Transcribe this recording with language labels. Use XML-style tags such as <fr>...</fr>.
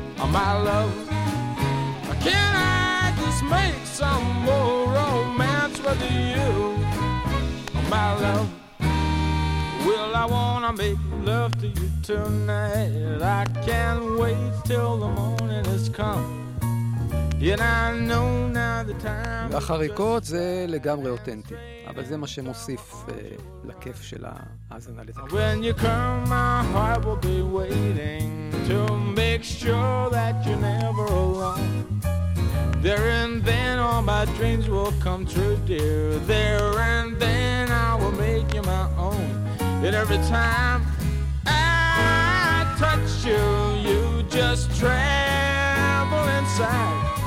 <en>My love Can I just make some more romance with you My love Well, I wanna make love to you tonight I can't wait till the morning has come</en> <he>לחריקות זה לגמרי אותנטי, אבל זה מה שמוסיף לכיף של האזנה לתקליט.</he> <en>When you come my heart will be waiting to make sure that you're never alone. There and then all my dreams will come true dear. There and then I will make you my own. And every time I touch you, you just tremble inside.</en>